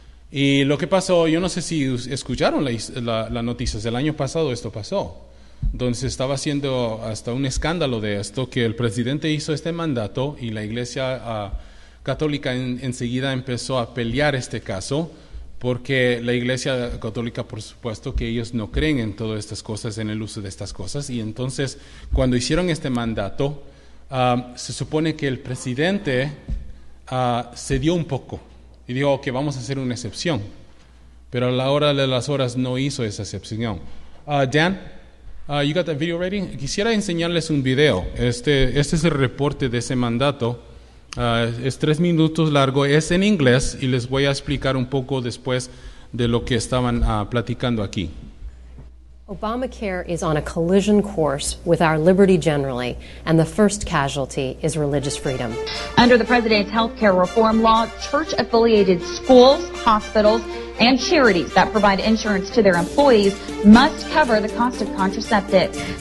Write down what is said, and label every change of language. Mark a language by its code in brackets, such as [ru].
[es] Y lo que pasó, yo no sé si escucharon la noticia, el año pasado esto pasó, donde se estaba haciendo hasta un escándalo de esto, que el presidente hizo este mandato y la iglesia católica enseguida empezó a pelear este caso, porque la iglesia católica, por supuesto, que ellos no creen en todas estas cosas, en el uso de estas cosas. Y entonces, cuando hicieron este mandato, se supone que el presidente cedió un poco y dijo que okay, vamos a hacer una excepción, pero a la hora de las horas no hizo esa excepción. [en] Dan, you got that video ready? [es] Quisiera enseñarles un video. Este es el reporte de ese mandato. Es 3 minutos largo, es en inglés y les voy a explicar un poco después de lo que estaban platicando aquí. [en] Obamacare is on a collision course with our liberty generally, and the first casualty is religious freedom. Under the president's health care reform law, church-affiliated schools, hospitals, and charities that provide insurance to their employees must cover the cost of contraceptives.